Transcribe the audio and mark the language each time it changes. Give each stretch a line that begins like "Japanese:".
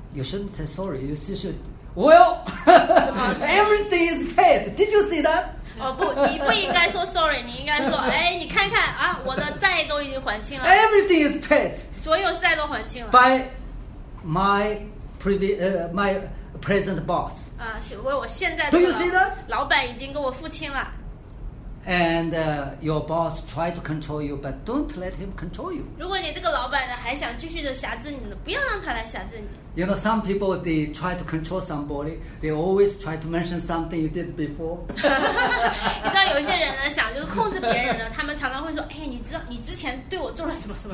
English: You shouldn't say sorry. You should. Well, everything is paid. Did you see that?
Chinese: 哦，不，你不应该说 sorry， 你应该说，哎，你看看啊，我的债都已经还清了。
English: Everything is paid.
Chinese: 所有债都还清了。
English: By my my present boss.
Chinese: 啊，为我现在
English: 的。Do you see that?
Chinese: 老板已经给我付清了。
English: And your boss tried to control you, but don't let him control you.
Chinese: 如果你这个老板呢还想继续的辖制你呢，不要让他来辖制你。
English: You know, some people they try to control somebody, they always try to mention something you did before.
Chinese: 你知道有一些人呢想就是控制别人呢，他们常常会说，哎，你知道你之前对我做了什么什么。